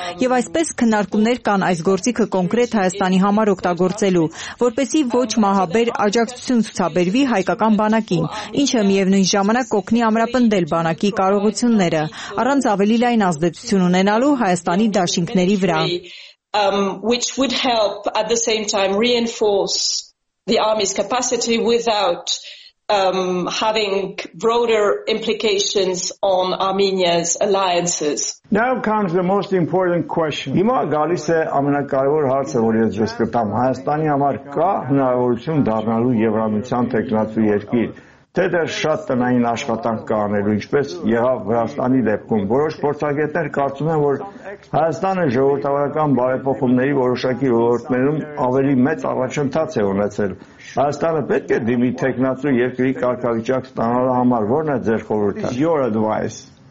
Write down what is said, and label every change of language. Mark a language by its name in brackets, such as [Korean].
[Armenian] Եվ այսպես քննարկումներ կան այս գործիքը կոնկրետ Հայաստանի համար օգտագործելու, որպեսզի ոչ մահաբեր աջակցություն ցուցաբերվի հայկական բանակին, ինչը միևնույն ժամանակ կօգնի ամրապնդել բանակի կարողությունները առանց ավելի լայն ազդեցություն ունենալու Հայաստանի դաշինքների վրա, [English] which would help at the same time reinforce the army's capacity without having broader implications on Armenia's alliances. Now comes the most important question. [Armenian] Հիմա գալիս է ամենակարևոր հարցը, որ ես ձեզ կտամ. Հայաստանի համար կա հնարավորություն դառնալու Եվրամիության թեկնածու երկիր, թե դեռ շատ տնային աշխատանք կա անելու, ինչպես եղավ Վրաստանի դեպքում։ Որոշ փորձագետներ կարծում են, որ Հայաստանը ժողովրդավարական բարեփոխումների որոշակի ոլորտներում ավելի մեծ առաջընթաց է ունեցել։ Հայաստանը պետք է դիմի թեկնածու երկրի կարգավիճակ ստանալու համար, որն է ձեր խորհուրդը։ [English] Your advice.